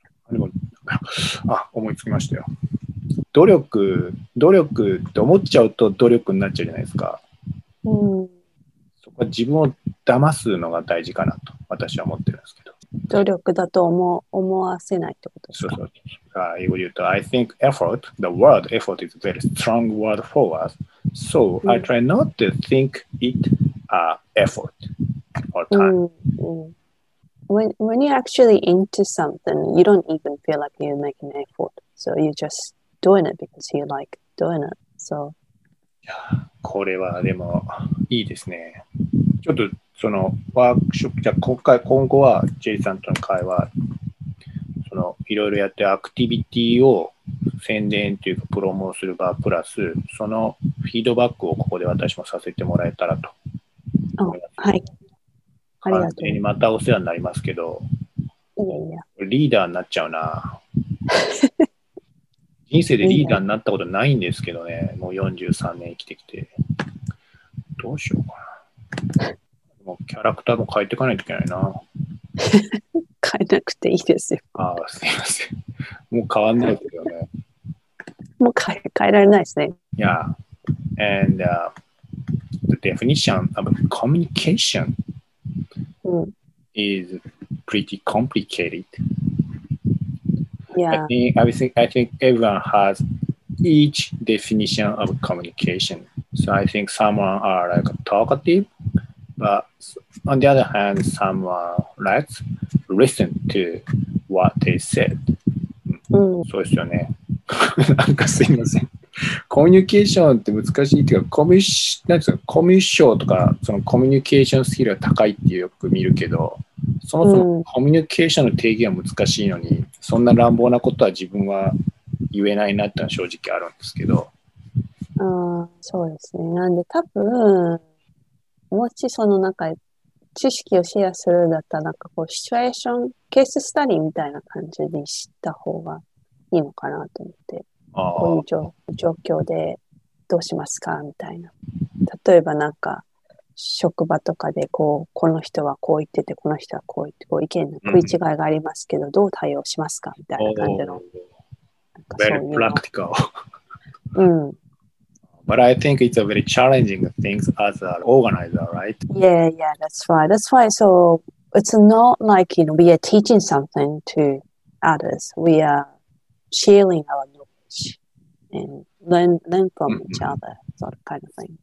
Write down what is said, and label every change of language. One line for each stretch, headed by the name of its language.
Japanese: でも、あ、思いつきましたよ。努力って思っちゃうと努力になっちゃうじゃないですか。そこは自分を騙すのが大事かなと、私は思ってるんですけど。努力だと思わせないってことですか。そう。英語で言うと、
English: I think effort, the word effort is a very strong word for us. So, I try not to think it a effort or time. When you're actually into something, you don't even feel like you're making an effort. So, you're just doing it because you like doing it. So,
Japanese: これはでもいいですね。ちょっとそのワークショップ、じゃあ今後はジェイさんとの会話、そのいろいろやってアクティビティを宣伝というかプロモーする場プラス、そのフィードバックをここで私もさせてもらえたらと。あ、はい。ありがとう。またお世話になりますけど。いやいや。リーダーになっちゃうな。人生でリーダーになったことないんですけどね、もう43年生きてきて。どうしようかな。もうキャラクターも変えていかないといけないな。変えなくていいですよ。ああ、すいません。もう変わんないけどね。もう変えられないですね。
English: Yeah. And the definition of communication is pretty complicated. Yeah. I think everyone has each definition of communication. So I think someone are like talkative. But on the other hand, someone likes listen to what they said.、
Japanese: そうですよね。なんかすいません。コミュニケーションって難しいっていうか、コミュ障とか、そのコミュニケーションスキルが高いっていうよく見るけど、そもそもコミュニケーションの定義は難しいのに、そんな乱暴なことは自分は言えないなってのは正直あるんですけど。そうですね。なんで多分、もしその中で知識をシェアするんだったら、なんかこうシチュエーションケーススタディみたいな感じにした方がいいのかなと思って、こういう状況でどうしますかみたいな。例えばなんか職場とかでこう、この人はこう言ってて、この人はこう言って、こう意見の食い違いがありますけど、どう対応しますかみたいな感じの。
English: Very practical.
Japanese: うん。
English: But I think it's a very challenging thing as an organizer, right? Yeah, that's right. That's right. So it's not like, you know, we are teaching something to others. We are sharing our knowledge and learn from each other, sort of kind of thing.